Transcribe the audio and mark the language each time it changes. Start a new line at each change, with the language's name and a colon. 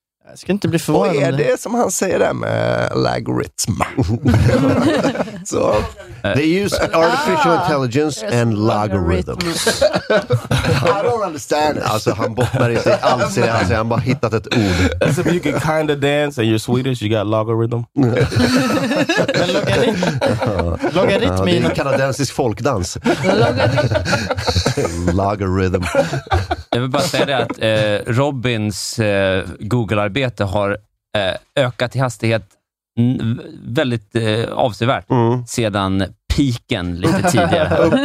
Swedish: Jag ska inte bli förvånad. Vad är det som han säger där med algoritm?
English: So, they use artificial intelligence and logarithms. I don't understand it.
Swedish: Alltså han bottnar inte alls i det. Han säger han bara hittat ett ord.
English: As if you can kind of dance and you're Swedish, you got logarithm.
Swedish: Men logaritm är en kanadensisk folkdans.
English: Logarithm.
Swedish: Jag vill bara säga det att Robins Google-arbete har ökat i hastighet väldigt avsevärt sedan piken lite tidigare.